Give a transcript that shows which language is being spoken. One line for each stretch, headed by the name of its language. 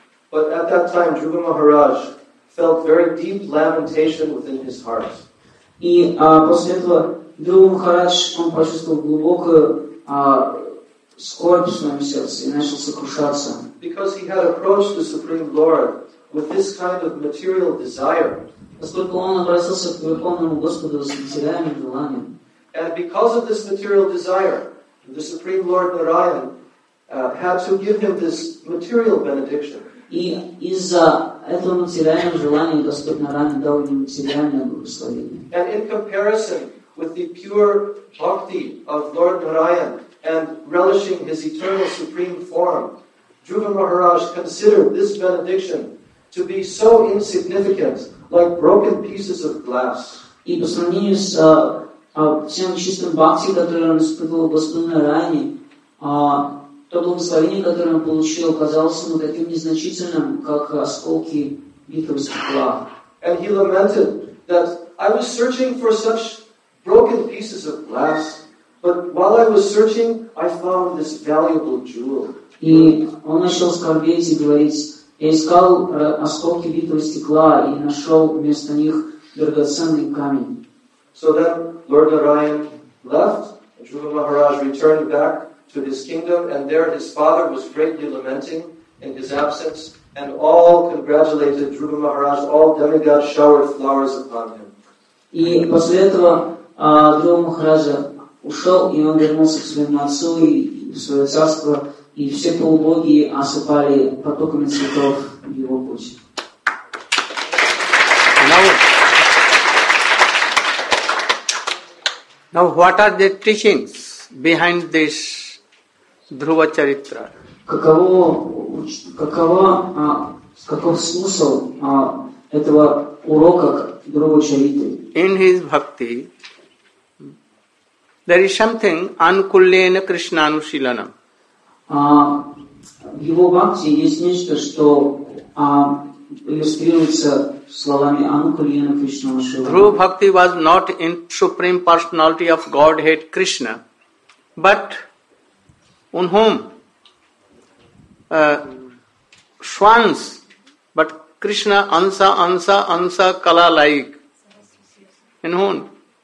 English: But at that time Dhruva Maharaj felt very deep lamentation within his heart.
Russian: И после этого Друва Махарадж он почувствовал глубокую скорбь в своем сердце и начал сокрушаться.
English: Because he had approached the Supreme Lord with this kind of material desire.
Russian: Поскольку он обратился к Верховному Господу с материальным желанием.
English: And because of this material desire, the Supreme Lord Narayan had to give him this material benediction.
Russian: И из-за этого материального желания Господь Нараян дал ему материальное благословение.
English: And in comparison with the pure bhakti of Lord Narayan and relishing his eternal supreme form, Dhruva Maharaj considered this benediction to be so insignificant, like broken pieces of glass.
Russian: И по сравнению с тем чистым бхакти, которое он испытывал Господь Нараян, то благословение, которое он получил, казалось ему таким незначительным, как осколки битого стекла.
English: And he lamented that I was searching for such broken pieces of glass, But while I was searching, I found this valuable jewel.
Russian: И он начал скорбеть и говорить, я искал осколки битого стекла и нашел вместо них драгоценный камень.
English: So then Lord Narayan left, Dhruva Maharaj returned back to his kingdom, and there his father was greatly lamenting in his absence, and all congratulated Dhruva Maharaj, all demigods showered flowers upon him.
Russian: И после этого Dhruva Maharaj ушел, и он вернулся к своему отцу и в свое царство, и все полубоги осыпали потоками цветов в его пути.
English: Now, what are the teachings behind this Dhruva Charitra?
Russian: Каков смысл этого урока Dhruva Charitra?
English: In his bhakti, there is something Ankulena Krishnanushilanam.
Russian: В его бхакти есть нечто, что иллюстрируется словами Анукульена Кришнанушилана.
English: Dhruva Bhakti was not in Supreme Personality of Godhead Krishna, but on whom swans, but Krishna ansa kala like, in whom?